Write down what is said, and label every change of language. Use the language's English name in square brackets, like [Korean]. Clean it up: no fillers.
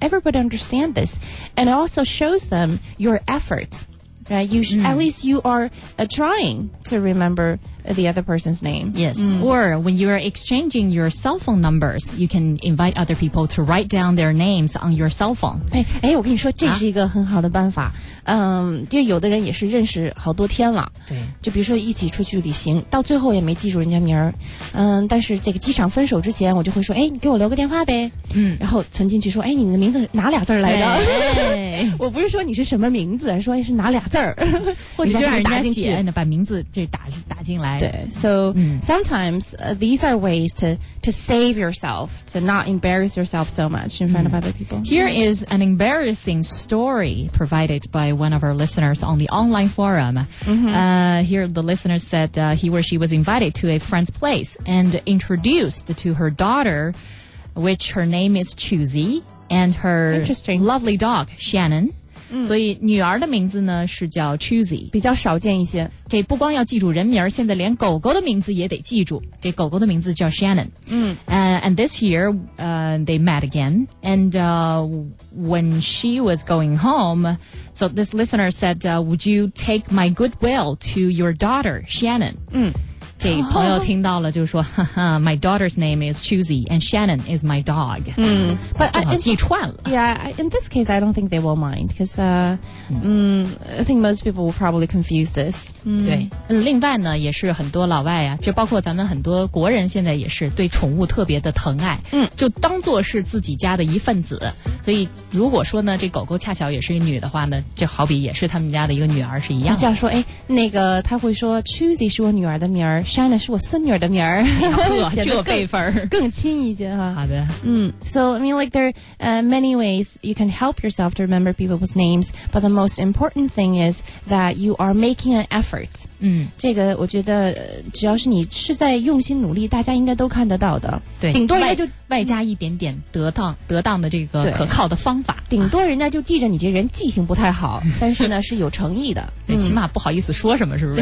[English] Everybody understand this. And it also shows them your effort. Right, you at least you are trying to remember the other person's name. Yes, or when you are exchanging your cell phone numbers, you can invite other people to write down their names on your cell phone. [Chinese] 哎，我跟你说，这是一个很好的办法。就有的人也是认识好多天了。对，就比如说一起出去旅行，到最后也没记住人家名儿。但是这个机场分手之前，我就会说，哎，你给我留个电话呗。然后存进去说，哎，你的名字哪俩字来的？我不是说你是什么名字，说是哪俩字儿，或者把人家写，把名字这打进来。 [English] 对 ，so sometimes these are ways to save yourself, to not embarrass yourself so much in front of other people. Here is an embarrassing story provided by one of our listeners on the online forum. Here the listener said he or she was invited to a friend's place and introduced to her daughter, which her name is Choosy. And her lovely dog, Shannon. [Chinese] 所以女儿的名字呢是叫 Choosy. 比较少见一些。这不光要记住人名，现在连狗狗的名字也得记住。这狗狗的名字叫 [English] Shannon. And this year, they met again. And when she was going home, so this listener said, would you take my goodwill to your daughter, Shannon? [Chinese] 这朋友听到了就说哈哈 [English] My daughter's name is Choosy and Shannon is my dog. [Chinese] 但正好记串了。 [English] Yeah, in this case, I don't think they will mind, because I think most people will probably confuse this. [Chinese] 对。另外呢也是很多老外啊就包括咱们很多国人现在也是对宠物特别的疼爱就当作是自己家的一份子。所以如果说呢这狗狗恰巧也是一女的话呢这好比也是他们家的一个女儿是一样的。这样说哎那个他会说 Choosy 是我女儿的名儿。 Shannon 是我孙女的名儿，这辈分儿更亲一些哈。好的， [English] So I mean, like there are many ways you can help yourself to remember people's names, but the most important thing is that you are making an effort. [Chinese] 这个我觉得只要是你是在用心努力，大家应该都看得到的。对，顶多人家就外加一点点得当的这个可靠的方法。顶多人家就记着你这人记性不太好，但是呢是有诚意的。对，起码不好意思说什么，是不是？